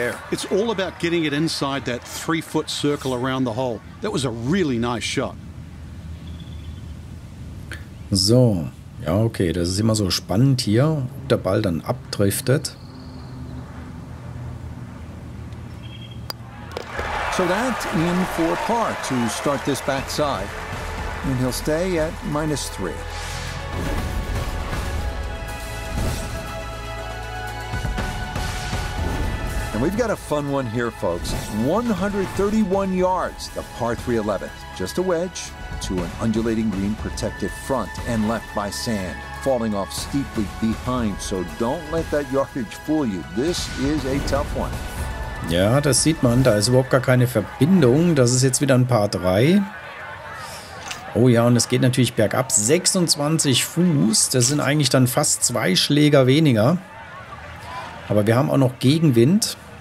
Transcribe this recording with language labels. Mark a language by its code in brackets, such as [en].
[en] It's all about getting it inside that 3-foot circle around the hole. That was a really nice shot. [de] So, ja, okay, das ist immer so spannend hier, ob der Ball dann abdriftet. [en] So that in for par to start this backside. And he'll stay at minus 3. And we've got a fun one here, folks. 131 yards, the par 3 11th. Just a wedge to an undulating green protected front and left by sand, falling off steeply behind. So don't let that yardage fool you. This is a tough one. [de] Ja, das sieht man. Da ist überhaupt gar keine Verbindung. Das ist jetzt wieder ein Par 3. Oh ja, und es geht natürlich bergab. 26 Fuß. Das sind eigentlich dann fast 2 Schläger weniger. Aber wir haben auch noch Gegenwind.